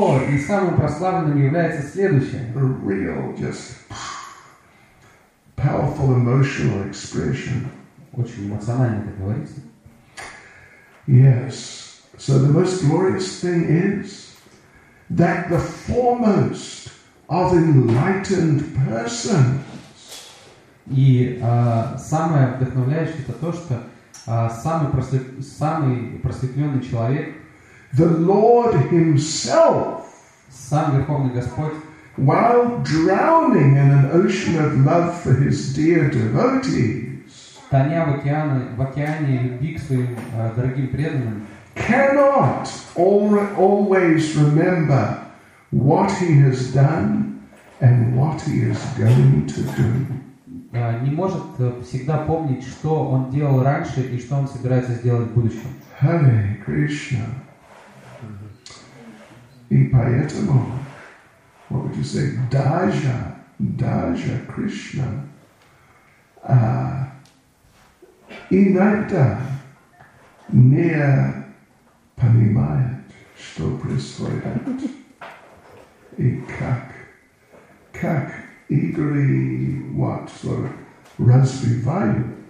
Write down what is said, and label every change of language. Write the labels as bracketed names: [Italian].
[Russian] И самым прославленным является следующее. [English] A real, just powerful emotional expression. [Russian] Очень эмоционально это говорится. [English] Yes. So the most glorious thing is that the foremost of enlightened persons, [Russian] и самое вдохновляющее это то, что самый просветленный человек, [English] the Lord himself, [Russian] сам Верховный Господь, [English] while drowning in an ocean of love for his dear devotees, [Russian] тоня в океане любви к своим дорогим преданным, [English] cannot always remember what he has done and what he is going to do. [Russian] Не может всегда помнить, что он делал раньше и что он собирается сделать в будущем. [Sanskrit] Hare Krishna. [Russian] И поэтому, [English] what would you say, [Russian] даже Krishna, иногда не понимает, что происходит, и как игры, [English] what sort of [Russian] развивают.